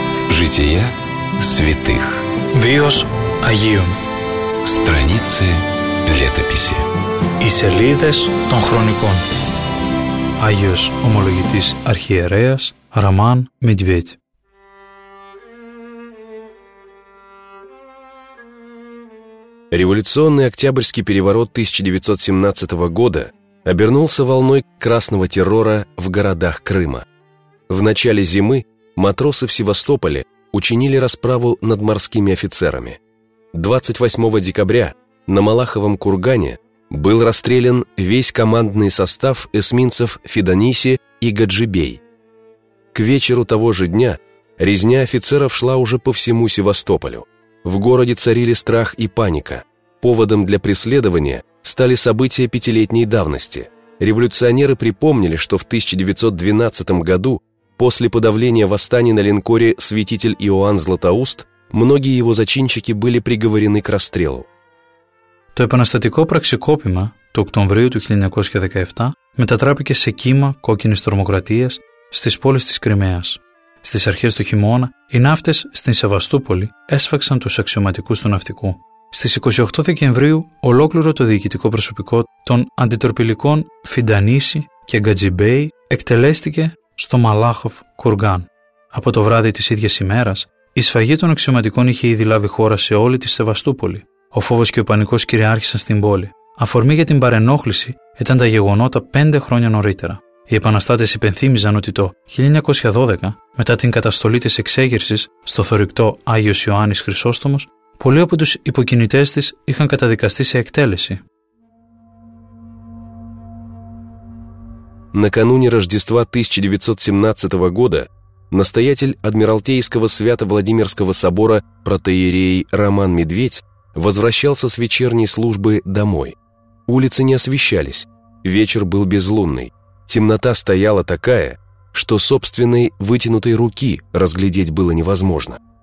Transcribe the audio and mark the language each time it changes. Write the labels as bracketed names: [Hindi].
[Russian] Жития святых. [Greek] Βίος Αγίων. [Russian] Страницы летописи. [Greek] Οι σελίδες των χρονικών. Άγιος ομολογητής αρχιερέας Роман Медведь. [Russian] Революционный Октябрьский переворот 1917 года обернулся волной красного террора в городах Крыма. В начале зимы матросы в Севастополе учинили расправу над морскими офицерами. 28 декабря на Малаховом кургане был расстрелян весь командный состав эсминцев «Фидониси» и «Гаджибей». К вечеру того же дня резня офицеров шла уже по всему Севастополю. В городе царили страх и паника. Поводом для преследования стали события пятилетней давности. Революционеры припомнили, что в 1912 году, после подавления восстания на линкоре «Святитель Иоанн Златоуст», многие его зачинщики были приговорены к расстрелу. [Greek] Το επαναστατικό πραξικόπημα του Οκτωβρίου του 1917 μετατράπηκε σε κύμα κόκκινης τρομοκρατίας στις πόλεις της Κρυμαίας. Στις αρχές του χειμώνα, οι ναύτες στην Σεβαστούπολη έσφαξαν τους αξιωματικούς του ναυτικού. Στις 28 Δεκεμβρίου, ολόκληρο το διοικητικό προσωπικό των αντιτορπιλικών Φιντανίση και Γκατζιμπέι εκτελέστηκε στο Μαλάχοφ Κουργάν. Από το βράδυ της ίδιας ημέρας, η σφαγή των αξιωματικών είχε ήδη λάβει χώρα σε όλη τη Σεβαστούπολη. Ο φόβος και ο πανικός κυριάρχησαν στην πόλη. Αφορμή για την παρενόχληση ήταν τα γεγονότα 5 χρόνια νωρίτερα. Οι επαναστάτες υπενθύμιζαν ότι το 1912, μετά την καταστολή της εξέγερσης στο θωρηκτό Άγιος Ιωάννης Χρυσόστομος, πολλοί από τους υποκινητές της είχαν καταδικαστεί σε εκτέλεση. [Russian] Накануне Рождества 1917 года настоятель Адмиралтейского Свято-Владимирского собора протоиерей Роман Медведь возвращался с вечерней службы домой. Улицы не освещались, вечер был безлунный. Темнота стояла такая, что собственной вытянутой руки разглядеть было невозможно.